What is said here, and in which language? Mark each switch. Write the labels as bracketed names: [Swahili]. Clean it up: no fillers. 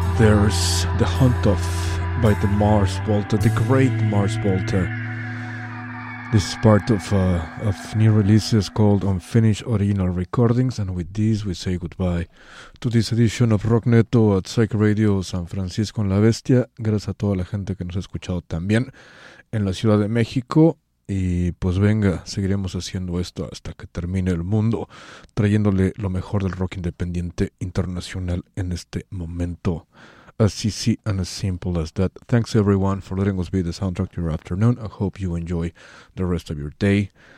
[English] There's The Hunt Off by the Mars Volta, the great Mars Volta. This is part of new releases called Unfinished Original Recordings, and with this we say goodbye to this edition of Rock Neto at Psyched Radio San Francisco en La Bestia. [Spanish] Gracias a toda la gente que nos ha escuchado también en la Ciudad de México. Y pues venga, seguiremos haciendo esto hasta que termine el mundo, trayéndole lo mejor del rock independiente internacional en este momento. [English] As easy and as simple as that. Thanks everyone for letting us be the soundtrack to your afternoon. I hope you enjoy the rest of your day.